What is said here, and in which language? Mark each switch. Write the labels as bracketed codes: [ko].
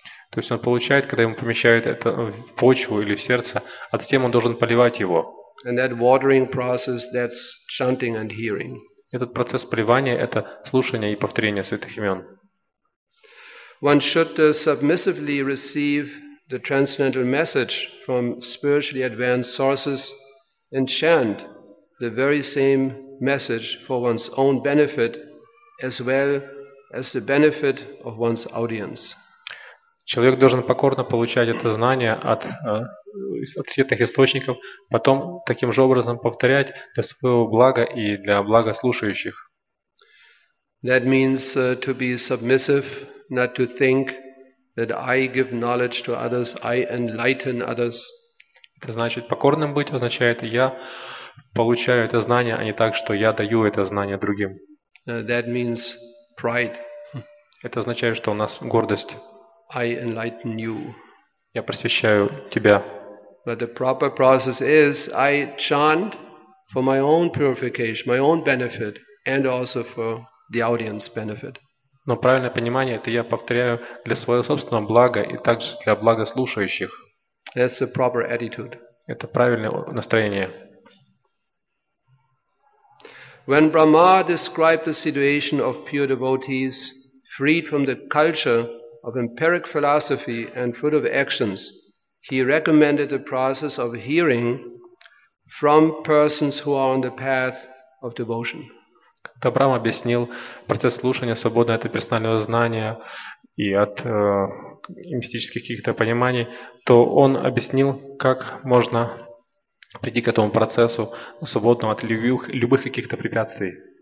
[ru] То есть он получает, когда ему помещают это в почву или в сердце, а затем он должен поливать его. [en] And that watering process, that's chanting and hearing. [ru] Этот процесс поливания – это слушание и повторение святых имен. [en] One should submissively receive the transcendental message from spiritually advanced sources and chant the very same message for one's own benefit as well as the benefit of one's audience. [ru] Человек должен покорно получать это знание от авторитетных источников, потом таким же образом повторять для своего блага и для блага слушающих. [en] That means to be submissive, not to think that I give knowledge to others, I enlighten others. [ru] Это значит покорным быть, означает я получаю это знание, а не так, что я даю это знание другим. [en] That means pride. [ru] Это означает, что у нас гордость. [en] I enlighten you. [ru] Я просвещаю тебя. [en] But the proper process is I chant for my own purification, my own benefit, and also for the audience benefit. [ru] Но правильное понимание это я повторяю для своего собственного блага и также для блага слушающих. [en] That's the proper attitude. [ru] Это правильное настроение. [en] When Brahma described the situation of pure devotees freed from the culture of empiric philosophy and fruit of actions, he recommended the process of hearing from persons who are on the path of devotion. [ru] Когда Брама объяснил процесс слушания, свободный от персонального знания и от мистических каких-то пониманий, то он объяснил, как можно прийти к этому процессу, свободному от любых каких-то препятствий.